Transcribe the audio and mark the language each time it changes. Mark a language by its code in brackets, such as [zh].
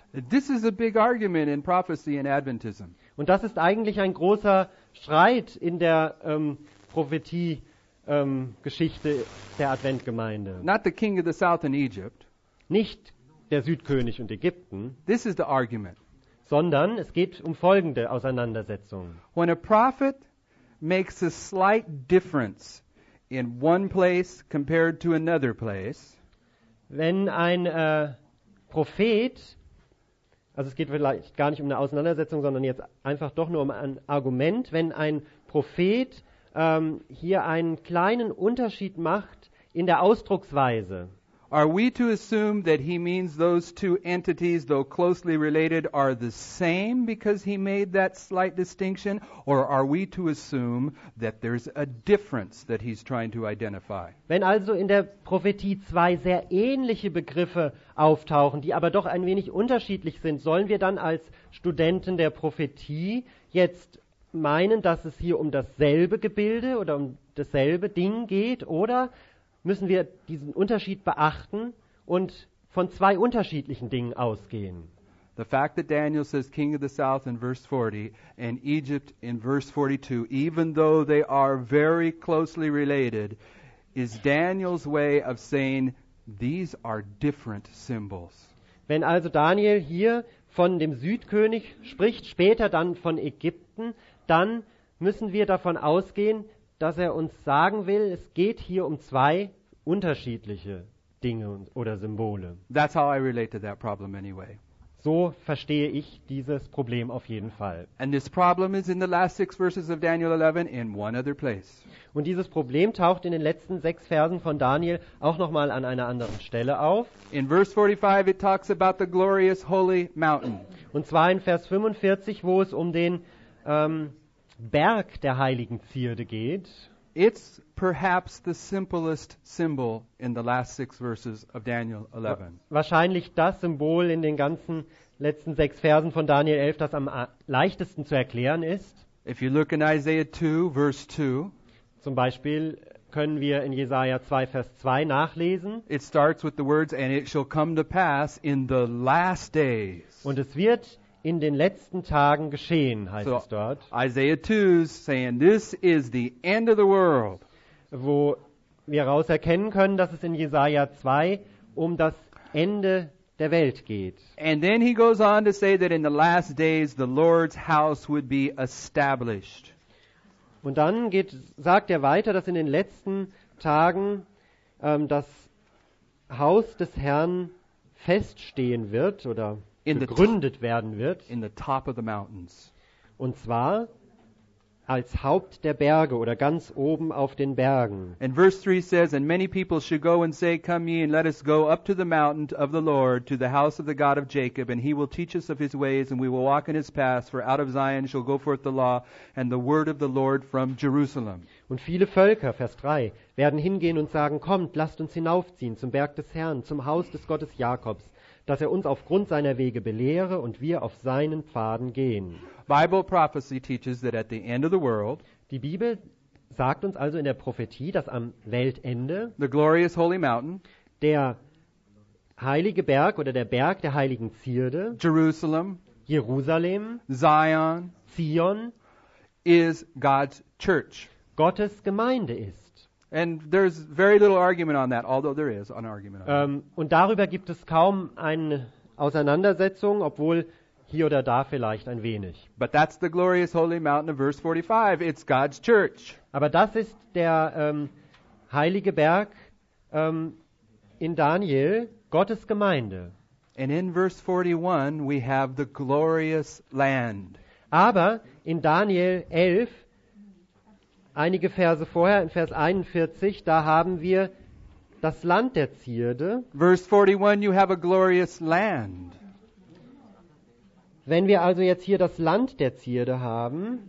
[en] This is a big argument in prophecy and Adventism. [de] Und das ist eigentlich ein großer Streit in der Prophetie-Geschichte der Adventgemeinde. [en] Not the King of the South in Egypt. [de] Nicht der Südkönig und Ägypten. [en] This is the argument. [de] Sondern es geht um folgende Auseinandersetzung. [en] When a prophet makes a slight difference in one place compared to another place. [de] Wenn ein Prophet, also es geht vielleicht gar nicht um eine Auseinandersetzung, sondern jetzt einfach doch nur um ein Argument, wenn ein Prophet hier einen kleinen Unterschied macht in der Ausdrucksweise. [en] Are we to assume that he means those two entities, though closely related, are the same because he made that slight distinction? Or are we to assume that there's a difference that he's trying to identify? [de] Wenn also in der Prophetie zwei sehr ähnliche Begriffe auftauchen, die aber doch ein wenig unterschiedlich sind, sollen wir dann als Studenten der Prophetie jetzt meinen, dass es hier um dasselbe Gebilde oder um dasselbe Ding geht, oder müssen wir diesen Unterschied beachten und von zwei unterschiedlichen Dingen ausgehen? [en] The fact that Daniel says King of the South in verse 40 and Egypt in verse 42, even though they are very closely related, is Daniel's way of saying these are different symbols. [de] Wenn also Daniel hier von dem Südkönig spricht, später dann von Ägypten, dann müssen wir davon ausgehen, dass er uns sagen will, es geht hier um zwei unterschiedliche Dinge oder Symbole. [en] That's how I relate to that problem anyway. [de] So verstehe ich dieses Problem auf jeden Fall. [en] And this problem is in the last six verses of Daniel 11 in one other place. [de] Und dieses Problem taucht in den letzten sechs Versen von Daniel auch nochmal an einer anderen Stelle auf. [en] In verse 45 it talks about the glorious holy mountain. [de] Und zwar in Vers 45, wo es um den Berg der heiligen Zierde geht. [en] It's perhaps the simplest symbol in the last six verses of Daniel 11. [de] Wahrscheinlich das Symbol in den ganzen letzten sechs Versen von Daniel 11, das am leichtesten zu erklären ist. [en] If you look in Isaiah 2, verse 2, [de] zum Beispiel können wir in Jesaja 2, Vers 2 nachlesen. [en] It starts with the words, and it shall come to pass in the last days. [de] Und es wird in den letzten Tagen geschehen, heißt so, es dort. [en] Isaiah 2 is saying, this is the end of the world. [de] Wo wir raus erkennen können, dass es in Jesaja 2 um das Ende der Welt geht. [en] And then he goes on to say that in the last days the Lord's house would be established. [de] Und dann sagt er weiter, dass in den letzten Tagen das Haus des Herrn feststehen wird oder gegründet werden wird. [en] In the top of the mountains. [de] Und zwar als Haupt der Berge oder ganz oben auf den Bergen. [en] And verse 3 says, and many people shall go and say, come ye and let us go up to the mountain of the Lord, to the house of the God of Jacob, and he will teach us of his ways, and we will walk in his paths, for out of Zion shall go forth the law and the word of the Lord from Jerusalem. [de] Und viele Völker, Vers 3, werden hingehen und sagen, kommt, lasst uns hinaufziehen zum Berg des Herrn, zum Haus des Gottes Jakobs, dass er uns aufgrund seiner Wege belehre und wir auf seinen Pfaden gehen. [en] Bible prophecy teaches that at the end of the world, [de] die Bibel sagt uns also in der Prophetie, dass am Weltende [en] the glorious holy mountain, [de] der heilige Berg oder der Berg der heiligen Zierde, [en] Jerusalem, Zion, is God's church. [de] Gottes Gemeinde ist. [en] And there's very little argument on that, although there is an argument on that. [de] Und darüber gibt es kaum eine Auseinandersetzung, obwohl hier oder da vielleicht ein wenig. [en] But that's the glorious holy mountain of verse 45. It's God's church. [de] Aber das ist der heilige Berg in Daniel, Gottes Gemeinde. [en] And in verse 41 we have the glorious land. [de] Aber in Daniel 11, einige Verse vorher, in Vers 41, da haben wir das Land der Zierde. [en] Verse 41, you have a glorious land. [de] Wenn wir also jetzt hier das Land der Zierde haben,